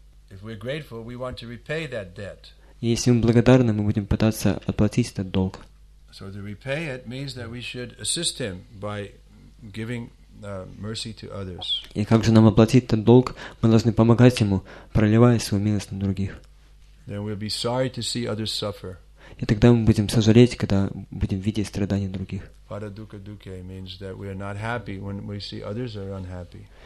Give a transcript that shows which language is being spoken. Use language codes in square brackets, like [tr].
[en] If we're grateful, we want to repay that debt. [ru] Если мы благодарны, мы будем пытаться отплатить этот долг. [en] So to repay it means that we should assist him by giving mercy to others. [ru] И как же нам оплатить этот долг? Мы должны помогать ему, проливая свою милость на других. [en] Then we'll be sorry to see others suffer. [ru] И тогда мы будем сожалеть, когда будем видеть страдания других. [en] Paradukha dukhe means that we are not happy when we see others are unhappy.